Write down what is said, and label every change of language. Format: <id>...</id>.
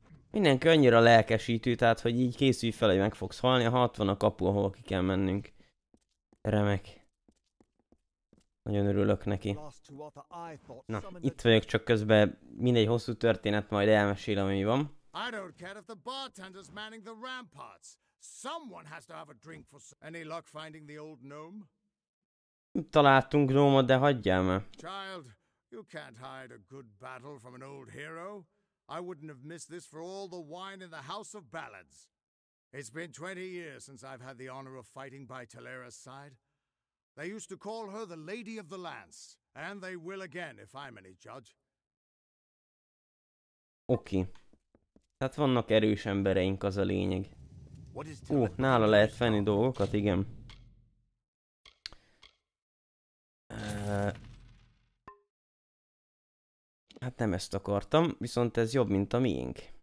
<hu>Mindenki annyira lelkesítő, tehát hogy így készülj fel, hogy meg fogsz halni. A 60 a kapu, ahol ki kell mennünk. Remek. Nagyon örülök neki. Na, itt vagyok, csak közben mindegy hosszú történet, majd elmesélem, ami van.</hu> <en>I don't care if the bartender's manning the ramparts. Someone has to have a drink for some... Any luck finding the old gnome?</en> <hu>Találtunk gnómot, de hagyjál már.</hu> <en>Child, you can't hide a good battle from an old hero. I wouldn't have missed this for all the wine in the House of Ballads. It's been 20 years since I've had the honor of fighting by Talera's side. They used to call her the Lady of the Lance, and they will again if I'm any judge. Oké.</en> <hu>Tehát vannak erős embereink, az a lényeg. Ó, nála lehet venni dolgokat, igen. Hát nem ezt akartam, viszont ez jobb, mint a miénk.</hu>